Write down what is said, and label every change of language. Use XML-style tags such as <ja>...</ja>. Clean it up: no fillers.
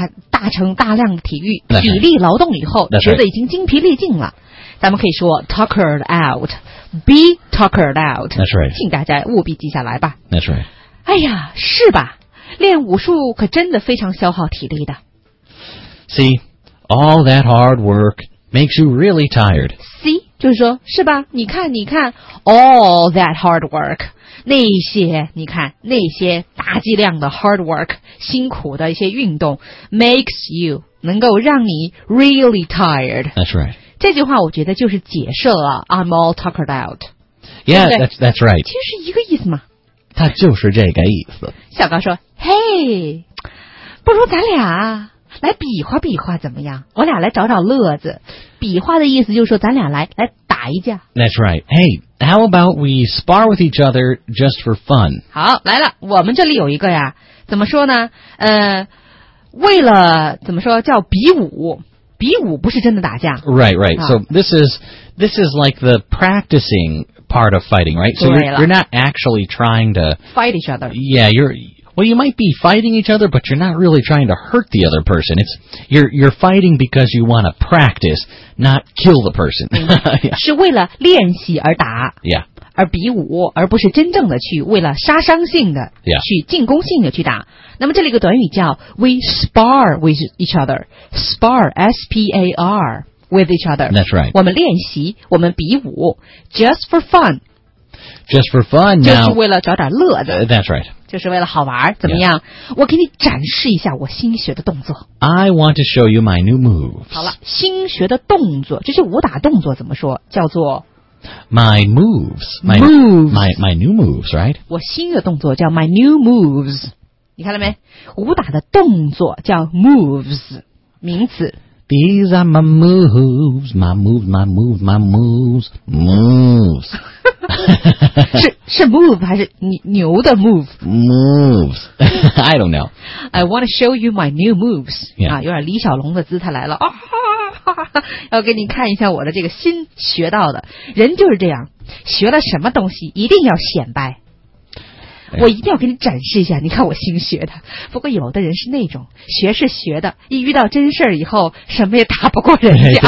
<zh>大成大量的体力劳动以后，觉得已经精疲力尽了。咱们可以说</zh> <en>tuckered out， be tuckered out。 That's right。</en> <zh>请大家务必记下来吧。</zh> <en>That's right。</en> <zh>哎呀，是吧？练武术可真的非常消耗体力的。</zh> <en>See, all that hard work makes you really tired. See，</en> <zh>就是说，是吧？你看 ，</zh> <en>all that hard work，</en> <zh>那些你看那些大剂量的</zh> <en>hard work，</en> <zh>辛苦的一些运动 ，</zh> <en>makes you</en> <zh>能够让你</zh> <en>really tired。 That's right。</en> <zh>这句话我觉得就是解释了</zh> <en>I'm all tuckered out. Yeah, that's right.</en> <zh>其实一个意思嘛。它就是这个意思。小高说，</zh> <en>hey,</en> <zh>不如咱俩来比划比划怎么样？我俩来找找乐子。比划的意思就是说咱俩来打一架。</zh> <en>That's right. Hey, how about we spar with each other just for fun?</en> <zh>好，来了，我们这里有一个呀，怎么说呢？为了怎么说叫比武，比武不是真的打架。</zh> <en>Right, right.、啊、so this is like the practicing part of fighting, right? So you're not actually trying to fight each other. Yeah, you might be fighting each other, but you're not really trying to hurt the other person. It's you're fighting because you want to practice, not kill the person.</en> <zh>是为了练习而打。</zh> <en>Yeah.</en> <zh>而比武，而不是真正的去为了杀伤性的、</zh> <en>yeah.</en> <zh>去进攻性的去打。那么这里一个短语叫</zh> <en>we spar with each other, spar s p a r with each other. That's right.</en> <zh>我们练习，我们比武 ，</zh> <en>just for fun. Just for fun.</en> <zh>就是为了找点乐的。</zh> <en>That's right.</en> <zh>就是为了好玩，怎么样？</zh> <en>Yeah.</en> <zh>我给你展示一下我新学的动作。</zh> <en>I want to show you my new moves.</en> <zh>好了，新学的动作，这些武打动作怎么说？叫做。</zh> <en>My moves, my new moves, right?</en> <zh>我新的动作叫</zh> <en>my new moves.</en> <zh>你看了没？武打的动作叫 moves, 名词。</zh> <en>These are my moves, my moves, my moves, my moves, moves.</en> <zh>是 move 还是牛的 move?</zh> <en>Moves. I don't know. I want to show you my new moves.、 Yeah.</en> <zh>啊，有点李小龙的姿态来了啊！要给你看一下我的这个新学到的，人就是这样，学了什么东西一定要显摆，我一定要给你展示一下，你看我新学的。不过有的人是那种学是学的，一遇到真事儿以后什么也打不过人家，</zh>